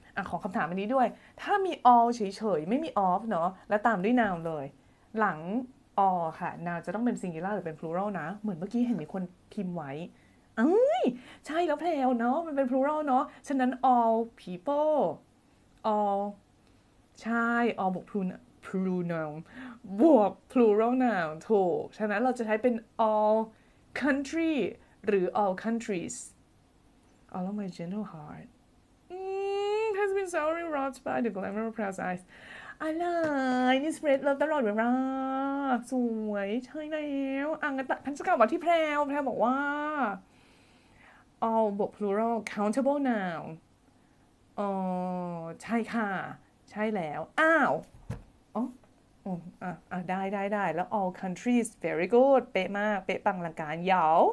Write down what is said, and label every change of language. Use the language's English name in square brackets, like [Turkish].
[Thai] ขอคำถามอันนี้ด้วยถ้ามี all เฉยๆไม่มี off เนาะแล้วตามด้วย noun เลยหลัง all ค่ะ noun จะต้องเป็น singular หรือเป็น plural นะเหมือนเมื่อกี้เห็นมีคนพิมพ์ไว้ใช่แล้วแพลวเนาะมันเป็น plural เนาะฉะนั้น [English] all peopleall [Thai] ใช่ all บวก plural noun บวก plural noun ถูกฉะนั้นเราจะใช้เป็น [English] all country [Thai] หรือ [English] all countries All of my gentle heart has been sorely wrought by the glamour of proud eyes. [Thai] อะไรนี่สเปรดเราตลอดเวลาสวยใช่แล้วอังกะฉันจะกล่าวว่าที่แพรวบอกว่า all บวก plural countable noun อ๋อใช่ค่ะใช่แล้วอ้าวอ๋ออ๋ออ่ะได้แล้ว [English] all countries very good [Thai] เป๊ะมากเป๊ะปังลังการเหยา